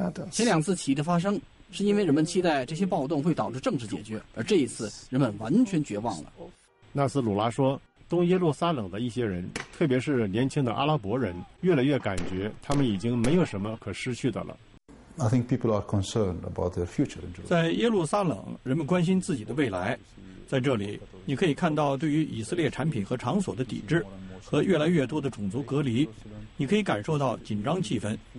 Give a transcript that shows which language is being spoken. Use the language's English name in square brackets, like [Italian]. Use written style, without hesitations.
[Chinese] 前两次起义的发生是因为人们期待这些暴动会导致政治解决，而这一次人们完全绝望了。纳斯鲁拉说，东耶路撒冷的一些人，特别是年轻的阿拉伯人，越来越感觉他们已经没有什么可失去的了。 [English] I think people are concerned about their future. [Chinese] 在耶路撒冷人们关心自己的未来，在这里你可以看到对于以色列产品和场所的抵制和越来越多的种族隔离，你可以感受到紧张气氛。